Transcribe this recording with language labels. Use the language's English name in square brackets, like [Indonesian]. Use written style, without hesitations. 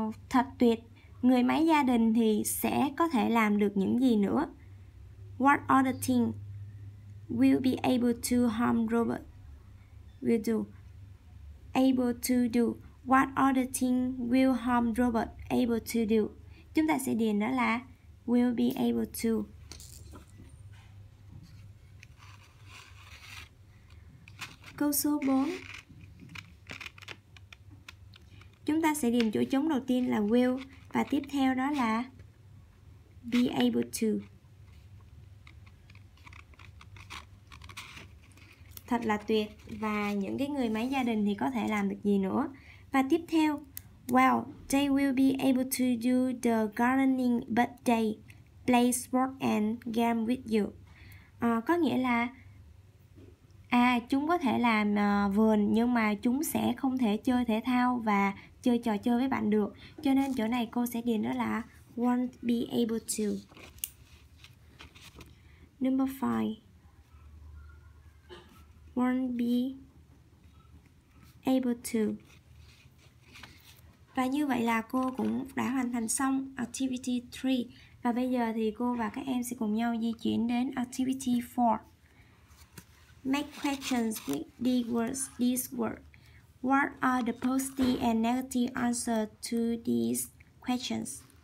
[Vietnamese] Thật tuyệt, người máy gia đình thì sẽ có thể làm được những gì nữa? [English] What are the things will be able to home robot will do? Able to do. What are the things will home robot able to do? [Vietnamese] Chúng ta sẽ điền đó là [English] will be able to. [Vietnamese] Câu số 4, chúng ta sẽ điền chỗ trống đầu tiên là will, và tiếp theo đó là [English] be able to. [Vietnamese] Thật là tuyệt, và những cái người máy gia đình thì có thể làm được gì nữa? Và tiếp theo, [English] well, they will be able to do the gardening but they play sport and game with you. [Vietnamese] Có nghĩa là chúng có thể làm vườn, nhưng mà chúng sẽ không thể chơi thể thao và chơi trò chơi với bạn được. Cho nên chỗ này cô sẽ điền đó là [English] won't be able to. Number 5, won't be able to. [Vietnamese] Và như vậy là cô cũng đã hoàn thành xong [English] activity 3. [Vietnamese] Và bây giờ thì cô và các em sẽ cùng nhau di chuyển đến [English] activity 4. Make questions with these words. What are the positive and negative answers to these questions?